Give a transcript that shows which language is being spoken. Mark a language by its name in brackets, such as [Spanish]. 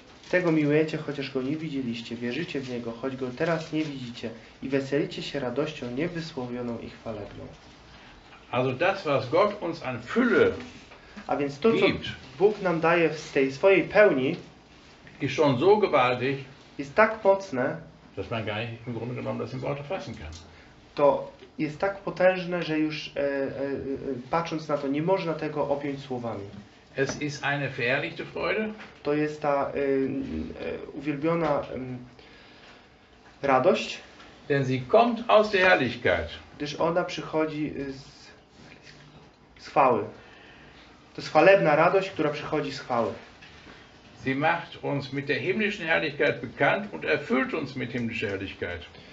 [Polish] Tego miłujecie, chociaż go nie widzieliście, wierzycie w niego, choć go teraz nie widzicie i weselicie się radością niewysłowioną i chwalebną. [German] Also das, was Gott uns an Fülle [Polish] A więc to, co [German] gibt, [Polish] Bóg nam daje z tej swojej pełni, [German] ist schon so gewaltig, [Polish] jest tak mocne, [German] dass man gar nicht im Grunde genommen das in Worte fassen kann. [Polish] To jest tak potężne, że już patrząc na to, nie można tego objąć słowami. [German] Es ist eine verherrlichte Freude. [Polish] To jest ta uwielbiona radość. [German] Denn sie kommt aus der Herrlichkeit. [Polish] Gdyż ona przychodzi z chwały. To jest chwalebna radość, która przychodzi z chwały. [German] Sie macht uns mit der himmlischen Herrlichkeit bekannt und erfüllt uns mit himmlischer Herrlichkeit.